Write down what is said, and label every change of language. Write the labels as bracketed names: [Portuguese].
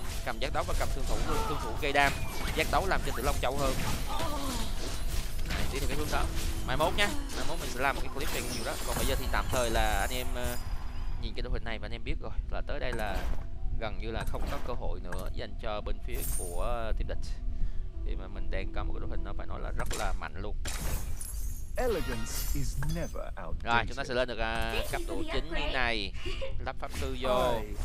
[Vietnamese] Cầm giác đấu và cầm thương thủ luôn, thương thủ gây đam, giác đấu làm cho Tử Long trâu hơn. Đi theo cái hướng đó. Mai mốt nha, mai mốt mình sẽ làm một cái clip về nhiều đó. Còn bây giờ thì tạm thời là anh em nhìn cái đội hình này và anh em biết rồi là tới đây là gần như là không có cơ hội nữa dành cho bên phía của team địch. Thì mà mình đang có một cái đội hình nó phải nói là rất là mạnh luôn. [English] Elegance is never outdated. [Vietnamese] Rồi chúng ta sẽ lên được cặp đội chính như này, lắp pháp sư vô.